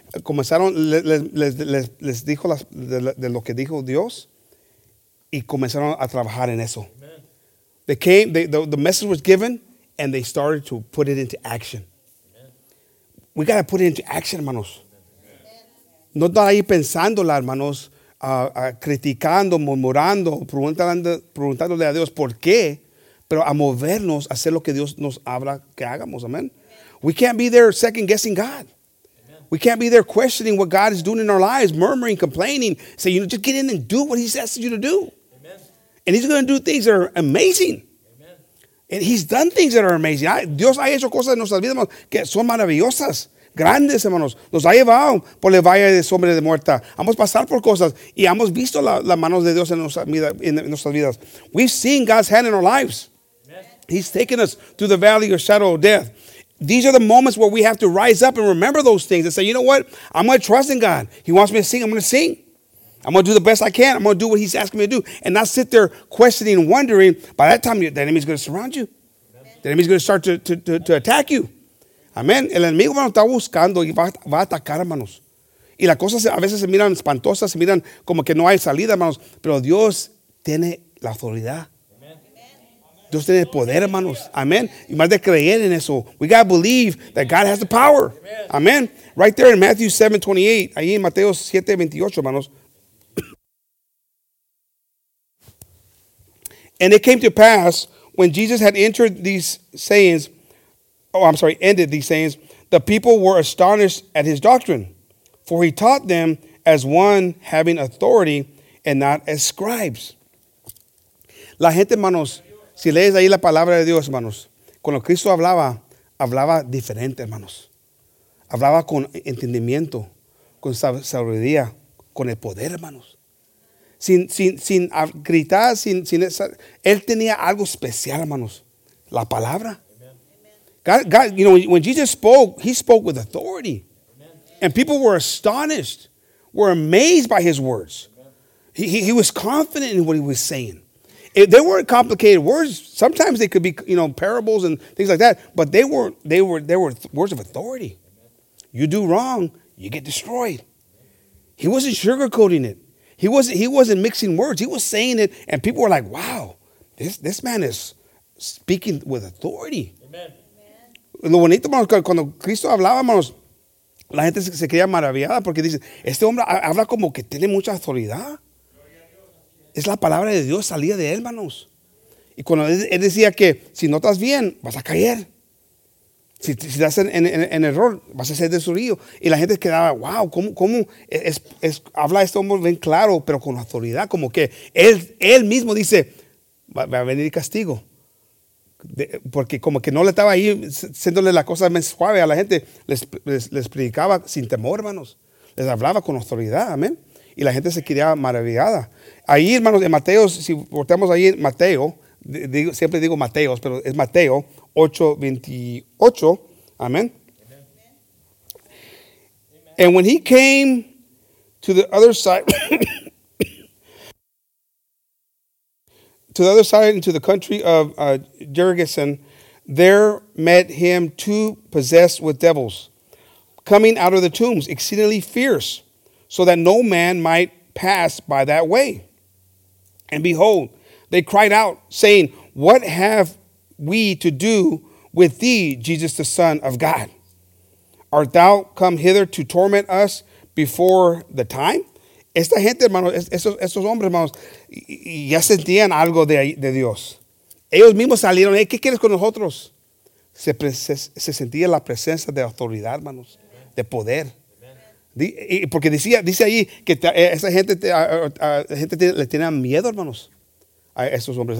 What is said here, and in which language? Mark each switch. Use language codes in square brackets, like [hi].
[es] Comenzaron, les dijo de lo que dijo Dios, y comenzaron a trabajar en eso. Amen. [en] They came, the message was given, and they started to put it into action. Amen. We got to put it into action, hermanos. [es] No está ahí pensándola, hermanos, criticando, murmurando, preguntándole a Dios por qué, pero a movernos, a hacer lo que Dios nos habla que hagamos, amén. [en] We can't be there second guessing God. Amen. We can't be there questioning what God is doing in our lives, murmuring, complaining. Say, you know, just get in and do what he's asking you to do. Amen. And he's going to do things that are amazing. Amen. And he's done things that are amazing. [es] Dios ha hecho cosas en nuestras vidas que son maravillosas. Grandes, hermanos, nos ha llevado por el valle de sombra de muerte. Hemos pasado por cosas y hemos visto la mano de Dios en nuestras vidas. [en] We've seen God's hand in our lives. Amen. He's taken us through the valley of shadow of death. These are the moments where we have to rise up and remember those things and say, you know what? I'm going to trust in God. He wants me to sing. I'm going to sing. I'm going to do the best I can. I'm going to do what he's asking me to do and not sit there questioning and wondering. By that time, the enemy's going to surround you. Amen. The enemy's going to start to attack you. Amén. [es] El enemigo, hermano, está buscando y va a atacar, hermanos. Y las cosas a veces se miran espantosas, se miran como que no hay salida, hermanos. Pero Dios tiene la autoridad. Amen. Dios tiene el poder, hermanos. Amén. Y más de creer en eso. [en] We got to believe that God has the power. Amén. Right there in Matthew 7:28. [es] Ahí en Mateo 7:28, hermanos. [en] And it came to pass when Jesus had entered these sayings. Oh, I'm sorry, ended these sayings, the people were astonished at his doctrine, for he taught them as one having authority and not as scribes. [es] La gente, hermanos, si lees ahí la palabra de Dios, hermanos, cuando Cristo hablaba, hablaba diferente, hermanos. Hablaba con entendimiento, con sabiduría, con el poder, hermanos. Sin gritar, sin esa, él tenía algo especial, hermanos, la palabra. [en] God, you know, when Jesus spoke, he spoke with authority. Amen. And people were astonished, were amazed by his words. He was confident in what he was saying. If they weren't complicated words. Sometimes they could be, you know, parables and things like that. But they were words of authority. Amen. You do wrong, you get destroyed. He wasn't sugarcoating it. He wasn't mixing words. He was saying it, and people were like, wow, This man is speaking with authority. Amen. [es] Lo bonito, hermanos, cuando Cristo hablaba, hermanos, la gente se creía maravillada porque dice, este hombre habla como que tiene mucha autoridad. Es la palabra de Dios salida de él, hermanos. Y cuando él decía que si no estás bien, vas a caer. Si estás en error, vas a ser destruido. Y la gente quedaba, wow, ¿cómo es, habla este hombre bien claro, pero con autoridad? Como que él mismo dice, va a venir castigo. Porque como que no le estaba ahí haciéndole la cosa más suave a la gente. Les predicaba sin temor, hermanos. Les hablaba con autoridad, amén. Y la gente se quedaba maravillada. Ahí, hermanos, en Mateo, si volteamos ahí en Mateo, siempre digo Mateos, pero es Mateo 8:28. Amén. Amen. [en] And when he came to the other side, into the country of Gerasen, there met him two possessed with devils, coming out of the tombs, exceedingly fierce, so that no man might pass by that way. And behold, they cried out, saying, what have we to do with thee, Jesus, the Son of God? Art thou come hither to torment us before the time? [es] Esta gente, hermanos, estos hombres, hermanos, ya sentían algo de Dios. Ellos mismos salieron, ¿qué quieres con nosotros? Se sentía la presencia de autoridad, hermanos, de poder. Porque dice ahí que esa gente, gente le tenía miedo, hermanos, a estos hombres.